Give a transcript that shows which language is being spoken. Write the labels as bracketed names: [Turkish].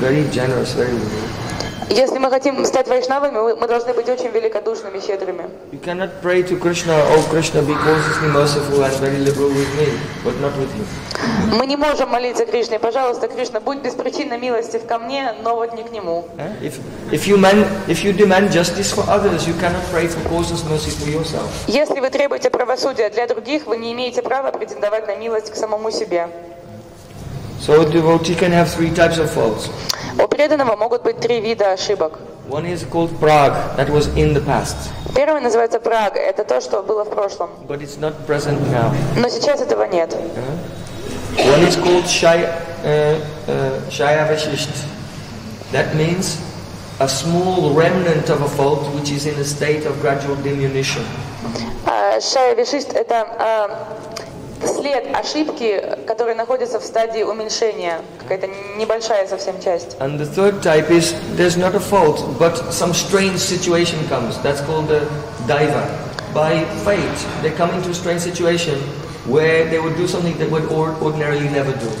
[Russian] Если мы хотим стать вайшнавами, мы должны быть очень великодушными, щедрыми. [English] You cannot pray to Krishna, oh Krishna, be graciously merciful and very liberal with me, but not with you. [Russian] Мы не можем молиться Кришне, пожалуйста, Кришна, будь беспричинно милостив ко мне, но вот не к нему. [English] If you demand justice for others, you cannot pray for causeless mercy for yourself. [Russian] Если вы требуете правосудия для других, вы не имеете права претендовать на милость к самому себе. [English] So a devotee can have 3 types of faults. [Russian] У преданного могут быть 3 вида ошибок. [English] One is called prag, that was in the past. [Russian] Первый называется праг, это то, что было в прошлом. [English] But it's not present now. [Russian] Но сейчас этого нет. [English] One is called shaya vashisht. That means a small remnant of a fault which is in a state of gradual diminution. [Russian] Shaya vashisht – это след ошибки, который находится в стадии уменьшения, какая-то небольшая совсем часть. [English] And the third type is there's not a fault, but some strange situation comes. That's called the daiva. By fate, they come into a strange situation where they would do something they would ordinarily never do.